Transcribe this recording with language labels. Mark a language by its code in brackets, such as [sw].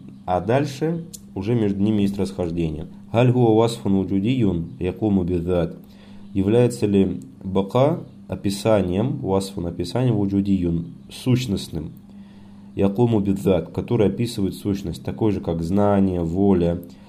[ru] А дальше уже между ними есть расхождение. [ar] هل هو وصف وجودي يقوم بالذات. [ru] Является ли бака описанием, وصف описанием وجودي сущностным, [ar] يقوم بالذات, [ru] который описывает сущность, такой же как знание, воля.